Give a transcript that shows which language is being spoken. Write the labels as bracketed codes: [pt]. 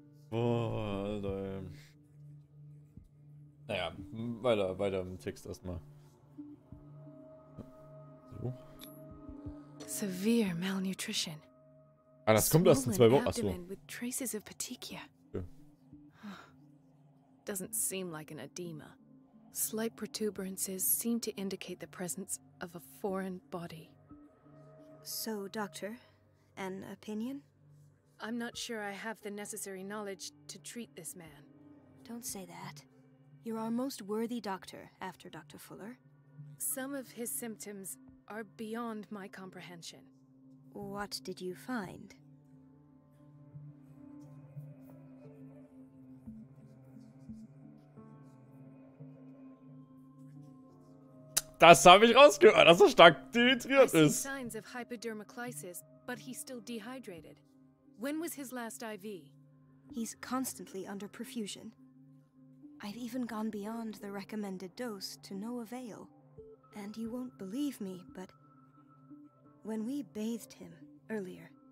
[de] Boah, Alter, ey. Naja, weiter im Text erstmal. [en] So. Severe malnutrition. [de] Ah, das kommt erst in zwei Wochen. Achso. [en] With traces of petechia. Doesn't seem like an edema. Slight protuberances seem to indicate the presence of a foreign body. So, Doctor, an opinion? I'm not sure I have the necessary knowledge to treat this man. Don't say that. You're our most worthy doctor after Dr. Fuller. Some of his symptoms are beyond my comprehension. What did you find? [de] Das habe ich rausgehört, dass stark dehydriert ist. [en] I see signs of hypodermoclysis, but he's still dehydrated. When was his last IV? He's constantly under perfusion. I've even gone beyond the recommended dose to no avail. And you won't believe me, but... When we bathed him earlier...